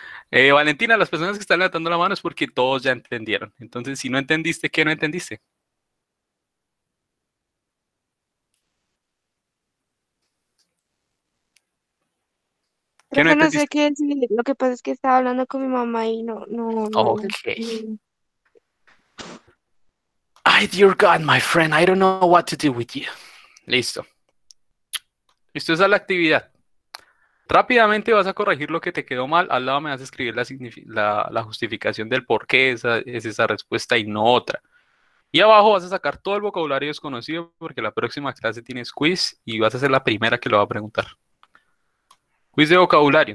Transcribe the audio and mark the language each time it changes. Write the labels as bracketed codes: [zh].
[es] Valentina, las personas que están levantando la mano es porque todos ya entendieron. Entonces, si no entendiste, ¿qué no entendiste? Yo no sé qué decir, lo que pasa es que estaba hablando con mi mamá y no. Ok. [en] Ay, dear God, my friend, I don't know what to do with you. [es] Listo. Listo, esa es la actividad. Rápidamente vas a corregir lo que te quedó mal, al lado me vas a escribir la justificación del por qué es esa respuesta y no otra. Y abajo vas a sacar todo el vocabulario desconocido porque la próxima clase tienes quiz y vas a ser la primera que lo va a preguntar. Quiz de vocabulario.